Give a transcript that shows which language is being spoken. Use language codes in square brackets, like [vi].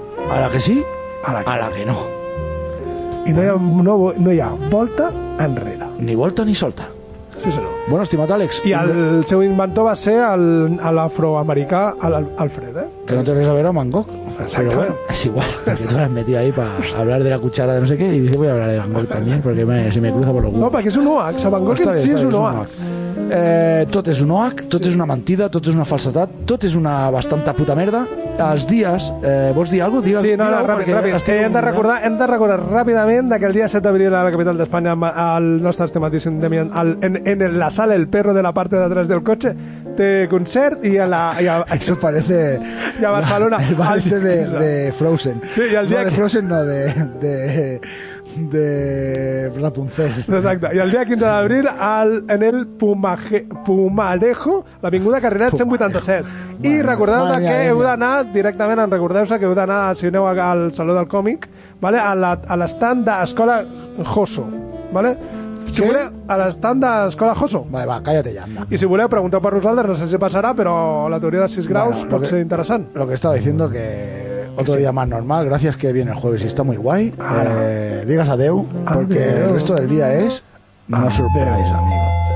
[ca] A la que sí, a la que no. I no hi ha, no, no hi ha volta enrere. Ni volta ni solta. Sí, senyor. Bueno, estimat Àlex. I el seu inventor va ser l'afroamericà Alfred, eh? Que no té res a veure amb Van Gogh. Exacte. Però bueno, és igual. [es] Si tu l'has metido ahí para hablar de la cuchara de no sé qué, y dice voy a hablar de Van Gogh también, porque se me cruza por lo [ca] culo. No, perquè és un OAX. A Van Gogh en sí és un OAX. Tot és un OAX, tot és una mentida, tot és una falsedat, tot és una bastanta puta merda. Els dies, vols dir alguna cosa? Sí, no, no, ràpid, ràpid. Hem de recordar ràpidament que el dia 7 d'abril a la capital d'Espanya, el nostre estimatíssim Demian, en la sala El Perro de la parte de atrás del coche, té concert i a la... I a, això parece... I a Barcelona. [es] El balse de Frozen. [ca] Sí, i el dia... No, de Frozen, no, de Rapunzel. Exacte. I el dia 15 d'abril en el Pumarejo, l'Avinguda Carrilet 187. I recordeu que heu d'anar directament, recordeu-vos que heu d'anar, si aneu al Saló del Còmic, vale, a l'estand d'Escola Josso. Vale? Si voleu, a l'estand d'Escola Josso. [es] Vale, va, cállate ya, anda. [ca] I si voleu, pregunteu per nosaltres, no sé si passarà, però la teoria dels 6 graus bueno, pot ser interessant. [es] Lo que estaba diciendo que otro día más normal, gracias que viene el jueves y está muy guay. Digas adeu, porque adeu. El resto del día es no sorpresa, amigo.